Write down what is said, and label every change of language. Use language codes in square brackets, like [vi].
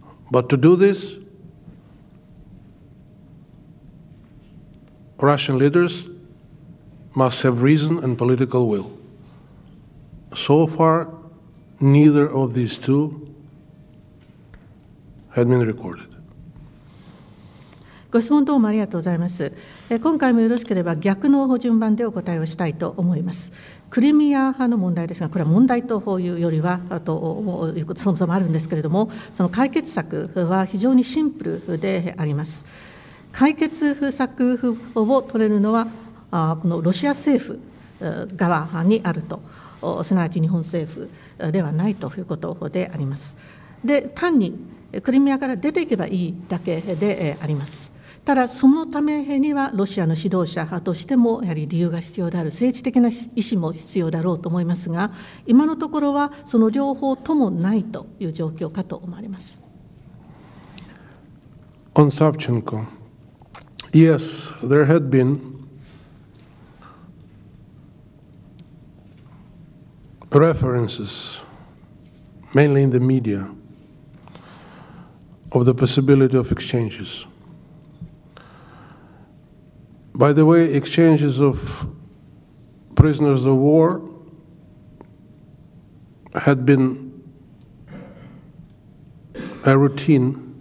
[en] But to do this, Russian leaders must have reason and political will. So far, neither of these two had been recorded. [ja] ご質問どうもありがとうございます。今回もよろしければ逆の順番でお答えをしたいと思います。クリミア派の問題ですが、これは問題というよりは、そもそもあるんですけれども、その解決策は非常にシンプルであります。解決策を取れるのは、このロシア政府側にあると、すなわち日本政府ではないということであります。で、単にクリミアから出ていけばいいだけであります。ただそのためにはロシアの指導者としてもやはり理由が必要である、政治的な意思も必要だろうと思いますが、今のところはその両方ともないという状況かと思われます。 [en] On Savchenko, yes, there had been references, mainly in the media, of the possibility of exchangesBy the way, exchanges of prisoners of war had been a routine